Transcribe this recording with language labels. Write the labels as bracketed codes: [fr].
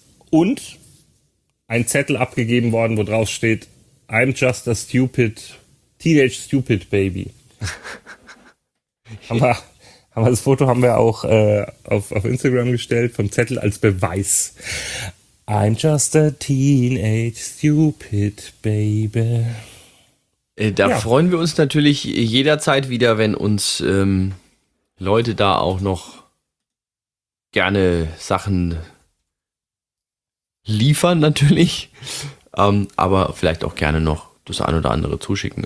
[de] Und ein Zettel abgegeben worden, wo drauf steht, [en] I'm just a stupid Teenage Stupid Baby. [de] Haben wir das Foto haben wir auch auf Instagram gestellt, vom Zettel als Beweis. [en] I'm just a Teenage Stupid Baby. [de] Freuen wir uns natürlich jederzeit wieder, wenn uns Leute da auch noch gerne Sachen liefern natürlich. aber vielleicht auch gerne noch das ein oder andere zuschicken.